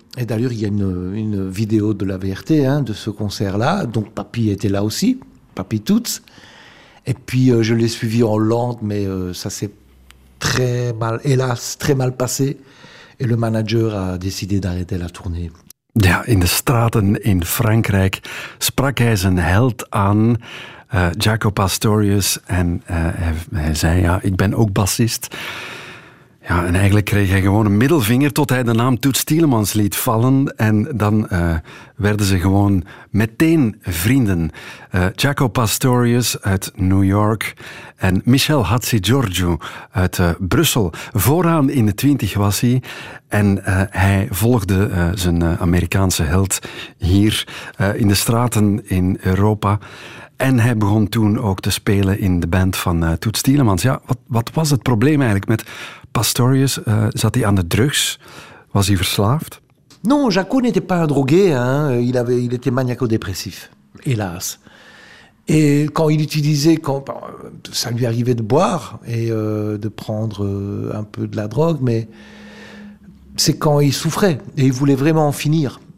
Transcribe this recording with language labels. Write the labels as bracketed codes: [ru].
[fr] Et d'ailleurs, il y a une vidéo de la VRT, hein, de ce concert-là. Donc, papy était là aussi, papy Toots. Et puis, je l'ai suivi en Hollande, mais ça s'est très mal, hélas, très mal passé. Et le manager a décidé d'arrêter la tournée. [nl] Ja, in de straten in Frankrijk sprak hij zijn held aan, Jaco Pastorius. En hij zei, ja, ik ben ook bassist. Ja, en eigenlijk kreeg hij gewoon een middelvinger tot hij de naam Toots Thielemans liet vallen. En dan werden ze gewoon meteen vrienden. Jaco Pastorius uit New York en Michel Hatzigiorgiou uit Brussel. Vooraan in de 20 was hij. En hij volgde zijn Amerikaanse held hier in de straten in Europa. En hij begon toen ook te spelen in de band van Toots Thielemans. Ja, wat was het probleem eigenlijk met Pastorius? Zat hij aan de drugs? Was hij verslaafd? [fr] Non, Jaco n'était pas un drogué, hein. Il était maniaco-dépressif, hélas. Et quand il utilisait, ça lui arrivait de boire et de prendre un peu de la drogue, mais c'est quand il souffrait et il voulait vraiment en finir.